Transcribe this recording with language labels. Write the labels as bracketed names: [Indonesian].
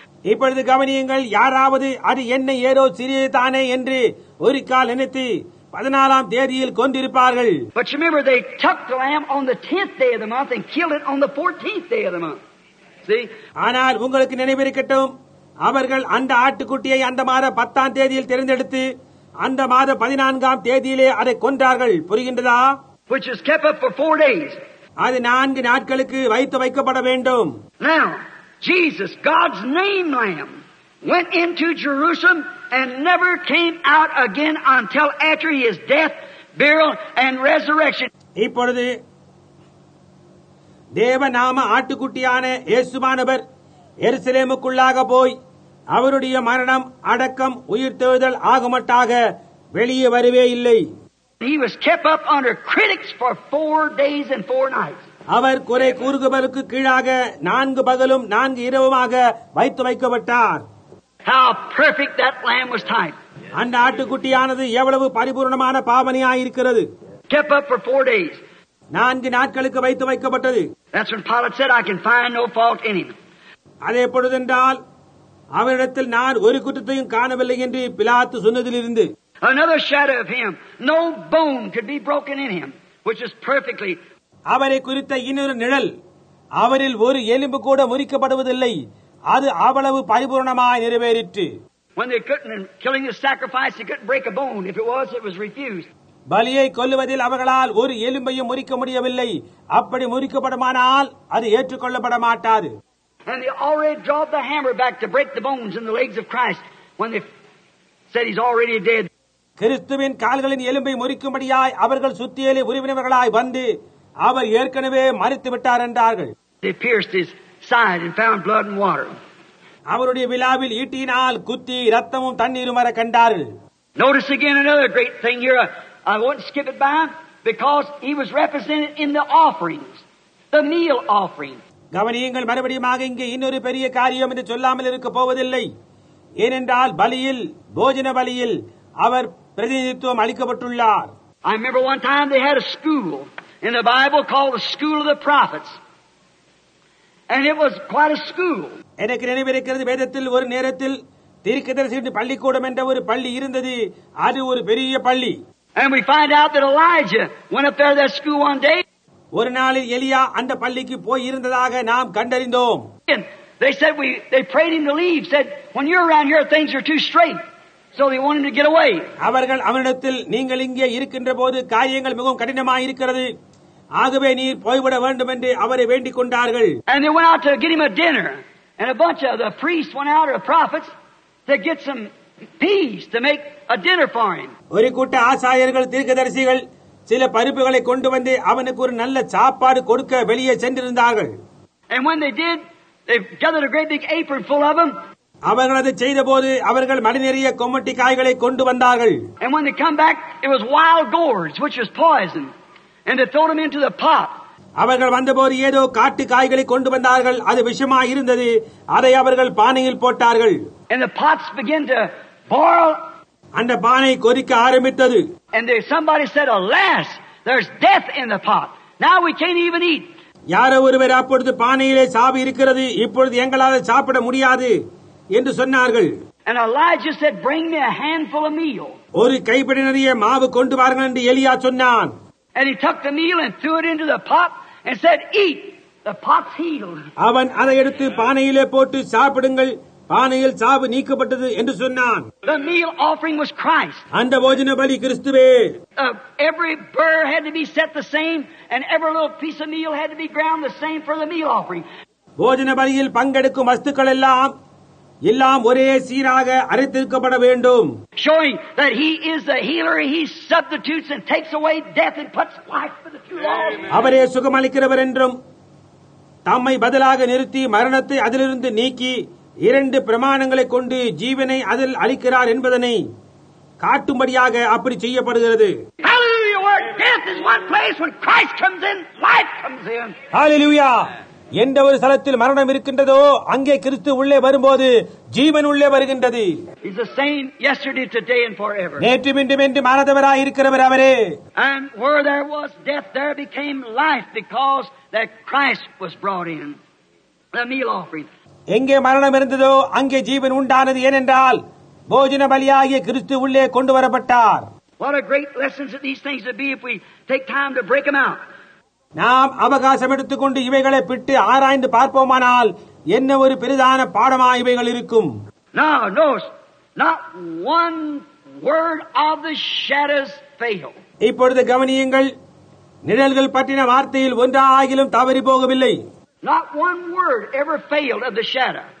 [Tamil] இப்பொழுது கவனியுங்கள், யாராவது அது என்ன ஏதோ சிறியதானே என்று ஒரு கால் நினைத்து 14 கொண்டிருப்பார்கள். [English] But remember, they took the lamb on the 10th day of the month and killed it on the 14th day of the month. See? [Tamil] ஆனால் உங்களுக்கு நினைவிருக்கட்டும், அவர்கள் அந்த ஆட்டுக்குட்டியை அந்த மாதம் 10th தேர்ந்தெடுத்து அந்த மாதம் 14th அதை கொன்றார்கள். புரிகின்றதா? [English] Which is kept up for 4 days. [Tamil] அது 4 நாட்களுக்கு வைத்து வைக்கப்பட வேண்டும். [English] Now, Jesus, God's name lamb, went into Jerusalem and never came out again until after his death, burial, and resurrection. [Tamil] இப்பொழுது தேவ நாம ஆட்டுக்குட்டியான இயேசுமானவர் எருசலேமுக்குள்ளாக போய் அவருடைய மரணம் அடக்கம் உயிர் தேடுதல் ஆகமட்டாக வெளியே வரவே இல்லை. [English] He was kept up under critics for 4 days and 4 nights. [Tamil] அவர் குறை கூறுபவருக்கு கீழாக 4 பகலும் 4 இரவுமாக வைத்து வைக்கப்பட்டார். [English] How perfect that lamb was tied. [Tamil] அந்த ஆட்டுக்குட்டியானது எவ்வளவு பரிபூர்ணமான பாவனையாயிருக்கிறது. [English] Kept up for 4 days. [Tamil] 4 நாட்களுக்கு வைத்து வைக்கப்பட்டது. [English] That's when Pilate said, I can find no fault in him. [Tamil] அதே பொழுதென்றால் அவரிடத்தில் நான் ஒரு குற்றத்தையும் காணவில்லை என்று பிலாத்து சொன்னதிலிருந்து. [English] Another shadow of him. No bone could be broken in him, which is perfectly. [Tamil] அவரை குறித்த இன்னொரு நிழல், அவரில் ஒரு எலும்பு கூட முறிக்கப்படுவதில்லை, அது அவ்வளவு பரிபூர்ணமாய் நிறைவேறிற்று. [English] When they couldn't killing a sacrifice, they couldn't break a bone. If it was refused. [Tamil] பலியை கொல்லுவதில் அவர்களால் ஒரு எலும்பையும் முறிக்க முடியவில்லை. அப்படி முறிக்கப்படுமானால் அது ஏற்றுக்கொள்ளப்பட மாட்டாது. [English] And they already drove the hammer back to break the bones in the legs of Christ when they said he's already dead. [Tamil] கிறிஸ்துவின் கால்களின் எலும்பை முறிக்கும்படியாய் அவர்கள் சுத்தியலே உரிமையினர்களாய் வந்து அவர் ஏற்கனவே மரித்து விட்டார் என்றார்கள். [English] They pierced his side and found blood and water. [Tamil] அவருடைய விலாவில் ஈட்டியினால் குத்தி ரத்தமும் தண்ணீரும் வர கண்டார்கள். [English] Notice again another great thing here. I won't skip it by because he was represented in the offerings, the meal offerings. [Tamil] கவனியுங்கள், மறுபடியும் இங்கே இன்னொரு பெரிய காரியம் என்று சொல்லாமல் இருக்க போவதில்லை. ஏனென்றால் பலியில், போஜன பலியில் அவர் பிரதிநிதித்துவம் அளிக்கப்பட்டுள்ளார். [English] I remember one time they had a school in the Bible called the school of the prophets. And it was quite a school. [Tamil] எனக்கு நினைவிருக்கிறது, வேதத்தில் ஒரு நேரத்தில் தீர்க்கதரிசி பள்ளிக்கூடம் என்ற ஒரு பள்ளி இருந்தது. அது ஒரு பெரிய பள்ளி. [English] And we find out that Elijah went up there to that school one day. [Tamil] ஒரு நாளில் எலியா அந்த பள்ளிக்கு போய் இருந்ததாக நாம் கண்டறிந்தோம். [English] They said they prayed him to leave, said when you're around here things are too straight, so they wanted to get away. [Tamil] அவர்கள் அவனிடத்தில் நீங்கள் இங்கே இருக்கின்ற போது காரியங்கள் மிகவும் கடினமாக இருக்கிறது, ஆகவே நீர் போய்விட வேண்டும் என்று அவரை வேண்டிக் கொண்டார்கள். [English] And they went out to get him a dinner, and a bunch of the priests went out, or the prophets, to get some peace to make a dinner for him. [Tamil] ஒரு கூட்ட ஆசாரியர்கள் தீர்க்கதரிசிகள் சில பருப்புகளை கொண்டு வந்து அவனுக்கு ஒரு நல்ல சாப்பாடு கொடுக்க வெளியே சென்றிருந்தார்கள். [English] And when they did, they gathered a great big apron full of them. [Tamil] அவர்கள் அதை செய்த போது அவர்கள் மடி நிறைய கொம்மட்டி காய்களை கொண்டு வந்தார்கள். [English] And when they come back, it was wild gourds, which was poison. And they threw them into the pot. [Tamil] அவர்கள் வந்தபோது ஏதோ காட்டு காய்களை கொண்டு வந்தார்கள். அது விஷமா இருந்தது. அதை அவர்கள் பானையில் போட்டார்கள். [English] And the pots began to boil. [Tamil] அந்த பானை கொதிக்க ஆரம்பித்தது. [English] And they, somebody said, "Alas, there's death in the pot. Now we can't even eat." [Tamil] யாரோ ஒருவர் அப்பொழுது பானையிலே சாவு இருக்கிறது, இப்பொழுது எங்களால் சாப்பிட முடியாது என்று சொன்னார்கள். [English] And Elijah said, "Bring me a handful of meal." [Tamil] ஒரு கைப்பிடி நிறைய மாவு கொண்டு வாருங்கள் என்று எலியா சொன்னான். [English] And he took the meal and threw it into the pot and said, "Eat. The pot's healed." [Tamil] அவன் அதை எடுத்து பானையிலே போட்டு சாப்பிடுங்கள், பானையில் சாவு நீக்கப்பட்டது என்று சொன்னான். [English] The meal offering was Christ. [Tamil] அந்த போஜன பலி கிறிஸ்துவே. [English] Every burr had to be set the same and every little piece of meal had to be ground the same for the meal offering. [Tamil] போஜன பலியில் பங்கெடுக்கும் வஸ்துக்கள் எல்லாம் ஒரே சீராக அறுத்திருக்கப்பட வேண்டும். [English] Showing that he is a healer, he substitutes and takes away death and puts life for the true law. [Tamil] அவரே சுகமளிக்கிறவர் என்றும் தம்மை பதிலாக நிறுத்தி மரணத்தை அதிலிருந்து நீக்கி இரண்டு பிரமாணங்களை கொண்டு ஜீவனை அதில் அளிக்கிறார் என்பதனை காட்டும்படியாக அப்படி செய்யப்படுகிறது. [English] Hallelujah! Where death is one place, when Christ comes in, life comes in. Hallelujah! [Tamil] எந்த ஒரு ஸ்தலத்தில் மரணம் இருக்கின்றதோ அங்கே கிறிஸ்து உள்ளே வரும்போது ஜீவன் உள்ளே வருகின்றது. [English] He's the same yesterday, today and forever. [Tamil] நேற்றும் இன்றும் என்றும் மாறாதவராய் இருக்கிறவர் அவரே. [English] And where there was death, there became life because that Christ was brought in. The meal offering. [Tamil] எங்கே மரணம் இருந்ததோ அங்கே ஜீவன் உண்டானது. ஏனென்றால் போஜன பலியாகிய கிறிஸ்து உள்ளே கொண்டு வரப்பட்டார். [English] What a great lesson that these things would be if we take time to break them out. [Tamil] நாம் அவகாசம் எடுத்துக்கொண்டு இவைகளை பிட்டு ஆராய்ந்து பார்ப்போமானால் என்ன ஒரு பெரிதான பாடமா இவைகள் இருக்கும். [English] Now, no, not one word of the shadows fail. [Tamil] இப்பொழுது கவனியுங்கள், நிழல்கள் பற்றின வார்த்தையில் ஒன்றாகிலும் தவறி போகவில்லை. [English] Not one word ever failed of the shadow.